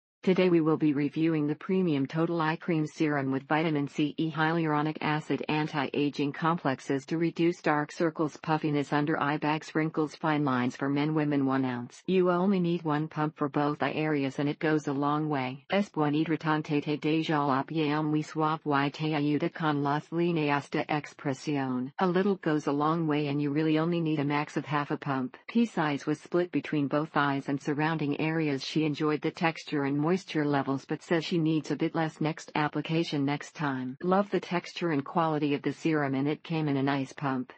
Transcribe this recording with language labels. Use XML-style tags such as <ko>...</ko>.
<en>Today we will be reviewing the Premium Total Eye Cream Serum with Vitamin C, E, Hyaluronic Acid, Anti-Aging Complexes to Reduce Dark Circles, Puffiness Under Eye Bags, Wrinkles, Fine Lines for Men, Women. 1 ounce. You only need one pump for both eye areas and it goes a long way.</en> <es>Es buen hidratante te deja la piel muy suave y te ayuda con las líneas de expresión.</es> <en>A little goes a long way and you really only need a max of half a pump. Pea size was split between both eyes and surrounding areas. She enjoyed the texture and moisture levels but says she needs a bit less next application next time. Love the texture and quality of the serum and it came in a nice pump.</en>